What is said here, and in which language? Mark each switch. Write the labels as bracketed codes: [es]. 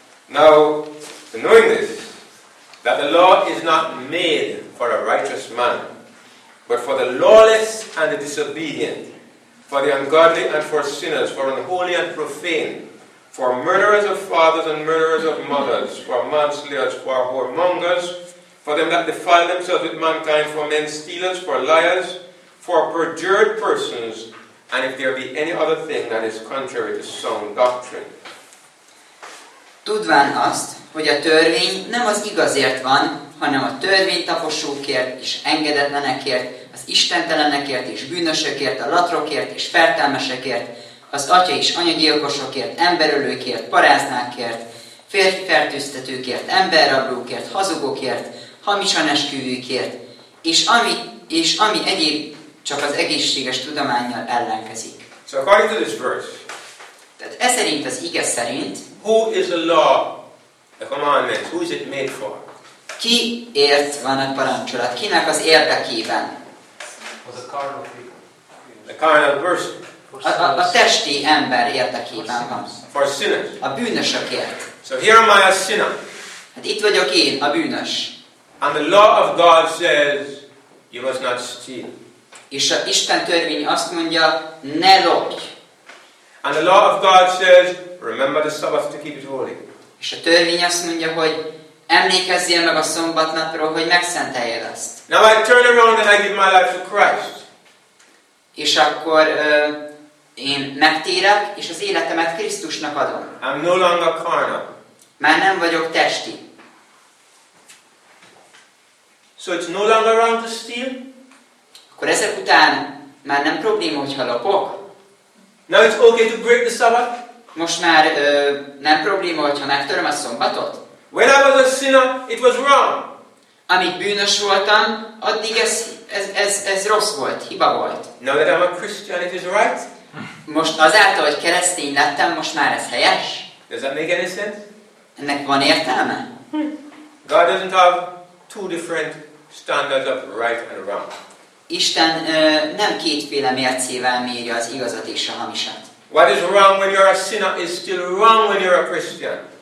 [en] Now, knowing this, that the law is not made for a righteous man, but for the lawless and the disobedient, for the ungodly and for sinners, for unholy and profane, for murderers of fathers and murderers of mothers, for manslayers, for whoremongers, for them that defile themselves with mankind, for men stealers, for liars, for perjured persons, and if there be any other thing that is contrary to sound doctrine. [hu] Tudván azt, hogy a törvény nem az igazért van, hanem a törvénytaposókért és engedetlenekért, az istentelenekért és bűnösökért, a latrokért és fertelmesekért, az atya és anyagyilkosokért, emberölőkért, paráznákért, férfifertőztetőkért, emberrablókért, hazugokért, hamisan esküvőkért, és ami egyéb csak az egészséges tudománnyal ellenkezik. [en] So according to this verse, [hu] tehát ez szerint az ige szerint, [en] who is the law, the commandments, who is it made for? [hu] Ki ért van a parancsolat? Kinek az érdekében? [en] Was a carnal people. The carnal person. [hu] A testi ember érdekében van. [en] For sinners. [hu] A bűnösökért. [en] So here am I a sinner. [hu] Hát itt vagyok én, a bűnös. [en] And the law of God says, you must not steal. [hu] És a Isten törvény azt mondja, ne lopj. [en] And the law of God says, remember the Sabbath to keep it holy. [hu] És a törvény azt mondja, hogy emlékezzél meg a szombatnapról, hogy megszenteljed azt. [en] Now I turn around and I give my life to Christ. [hu] És akkor én megtérek, és az életemet Krisztusnak adom. [en] I'm no longer carnal. [hu] Már nem vagyok testi. [en] So it's no longer wrong to steal? [hu] Akkor ezek után már nem probléma, hogyha lopok. [en] Now it's okay to break the Sabbath? [hu] Most már nem probléma, hogyha megtöröm a szombatot? [en] When I was a sinner, it was wrong. [hu] Amíg bűnös voltam, addig ez rossz volt, hiba volt. [en] Now that I'm a Christian, it is right? [hu] Most azáltal, hogy keresztény lettem, most már ez helyes? [en] Does that make any sense? [hu] Ennek van értelme? [en] God doesn't have two different standards of right and wrong. [hu] Isten nem kétféle mércével mérje az igazat és a hamisat. [en] What is wrong when you're a sinner is still wrong when you're a Christian.